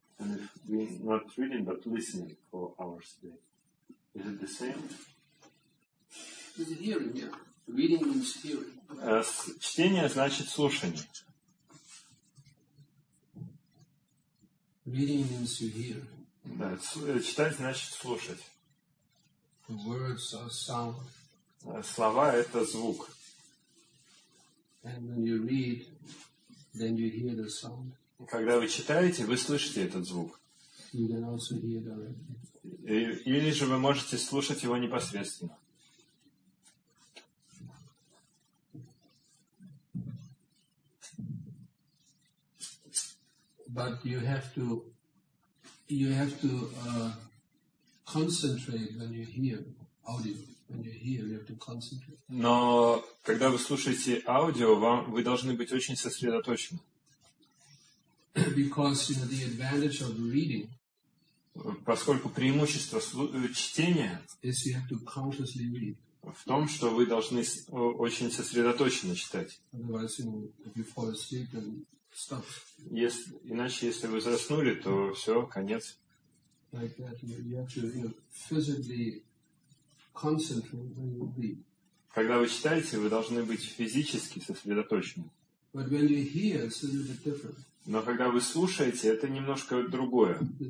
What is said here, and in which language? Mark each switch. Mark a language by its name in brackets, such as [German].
[English] And if we not reading but listening for hours a day, is it the same? Is it hearing? Yeah. Reading means hearing. [Russian] Чтение значит слушание. [English] Reading means you hear. [Russian] Да, читать значит слушать. [English] The words are sound. [Russian] Слова это звук. [English] And when you read, then you hear the sound. [Russian] Когда вы читаете, вы слышите этот звук. Или же вы можете слушать его непосредственно. [English] But you have to concentrate when you hear audio. When you hear, you have to concentrate. [Russian] Но когда вы слушаете аудио, вы должны быть очень сосредоточены. [English] Because, you know, the advantage of reading, [Russian] поскольку преимущество чтения [English] is you have to consciously read. [Russian] В том, что вы должны очень сосредоточенно читать. [English] Otherwise, you know, if you fall asleep, then stop. [Russian] Иначе, если вы заснули, то все, конец. [English] Like that, you have to, you know, physically concentrate when you read. [Russian] Когда вы читаете, вы должны быть физически сосредоточены. [English] But when you hear, it's a little bit different. [Russian] Но когда вы слушаете, это немножко другое.